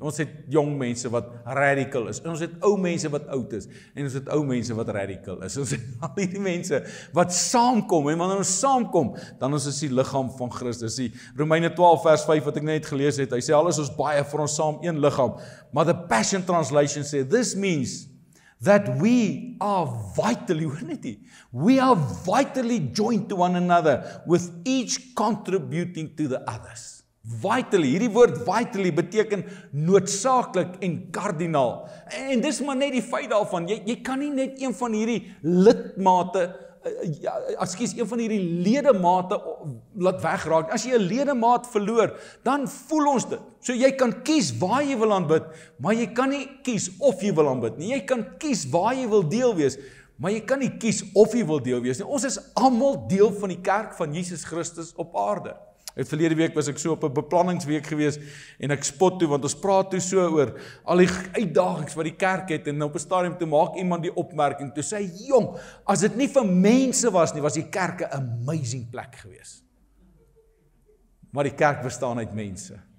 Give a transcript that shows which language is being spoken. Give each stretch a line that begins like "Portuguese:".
Afrikaans: Ons het jong mense wat radical is, en ons het ou mense wat oud is, en ons het ou mense wat radical is. Ons het al die mense wat saamkom, en wanneer ons saamkom, dan is ons die liggaam van Christus. Die Romeine 12 vers 5 wat ek net gelees het, hy sê, alles is baie vir ons saam, een liggaam. Maar
English: the Passion Translation sê, this means that we are vitally joined to one another, with each contributing to the others.
Afrikaans: Vitally, hierdie woord vitally beteken noodsaaklik en kardinaal. En dis maar net die feit daarvan, jy kan nie net een van hierdie lidmate excuse, een van die ledemate laat wegraak. As jy 'n ledemaat verloor, dan voel ons dit. So jy kan kies waar jy wil aanbid, maar jy kan nie kies of jy wil aanbid nie. Jy kan kies waar jy wil deel wees, maar jy kan nie kies of jy wil deel wees nie. Ons is allemaal deel van die kerk van Jesus Christus op aarde. Het verlede week was ek so op 'n beplanningsweek gewees en ek spot toe, want ons praat toe so oor al die uitdagings wat die kerk het en op 'n stadium toe maak iemand die opmerking, toe sê, jong, as dit nie vir mense was nie, was die kerk 'n amazing plek gewees. Maar die kerk bestaan uit mense.